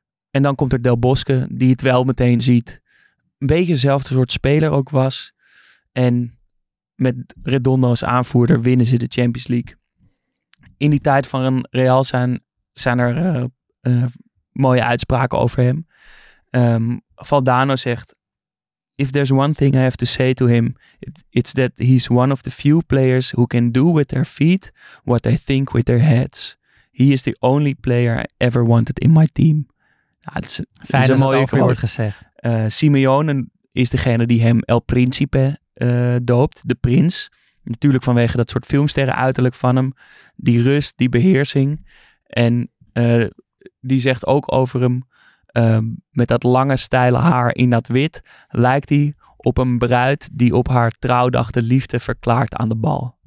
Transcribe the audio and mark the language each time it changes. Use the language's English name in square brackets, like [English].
[Dutch] En dan komt er Del Bosque, die het wel meteen ziet. Een beetje dezelfde soort speler ook was. En met Redondo als aanvoerder winnen ze de Champions League. In die tijd van een Real zijn er mooie uitspraken over hem. Valdano zegt, [English] if there's one thing I have to say to him, it's that he's one of the few players who can do with their feet what they think with their heads. He is the only player I ever wanted in my team. [Dutch] Ja, het is een fijn dat mooie het wordt gezegd. Simeone is degene die hem El Principe doopt, de prins. Natuurlijk vanwege dat soort filmsterren uiterlijk van hem. Die rust, die beheersing. En die zegt ook over hem, met dat lange steile haar in dat wit, lijkt hij op een bruid die op haar trouwdag de liefde verklaart aan de bal.